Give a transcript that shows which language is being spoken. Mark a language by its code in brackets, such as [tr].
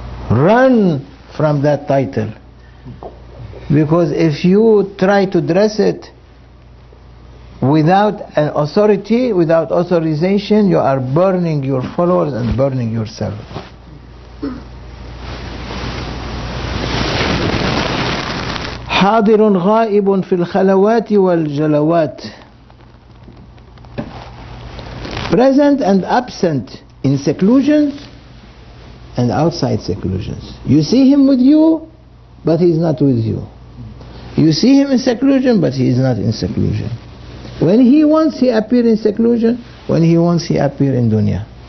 [en] Run from that title, because if you try to dress it without an authority, without authorization, you are burning your followers and burning yourself. [ar] حاضر غائب في الخلوات والجلوات. [en] Present and absent in seclusions and outside seclusions. You see him with you, but he's not with you. You see him in seclusion, but he is not in seclusion. When he wants, he appears in seclusion. When he wants, he appears in dunya.